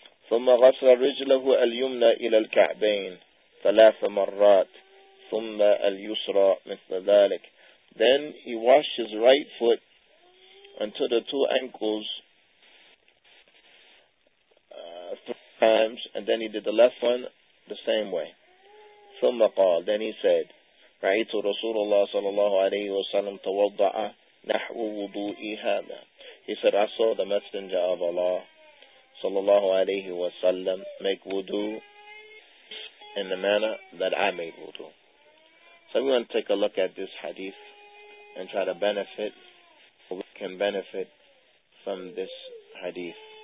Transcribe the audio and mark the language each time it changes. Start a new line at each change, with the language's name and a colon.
Arabic: ثُمَّ غَسَلَ رِجْلَهُ الْيُمْنَى إِلَى الْكَعْبَيْنِ ثَلَاثَ مَرَّاتِ ثُمَّ الْيُسْرَى مِثْلَ ذَلِكَ,
English: then he washed his right foot until the 2 ankles 3 times, and then he did the left one the same way.
Arabic: ثُمَّ قَالَ,
English: then he said,
Arabic: رأيت رسول الله صلى الله عليه وسلم توضع نحو وضوئي هذا.
English: He said, I saw the Messenger of Allah صلى الله عليه وسلم make wudu in the manner that I made wudu. So we want to take a look at this hadith and try to benefit, or we can benefit from this hadith.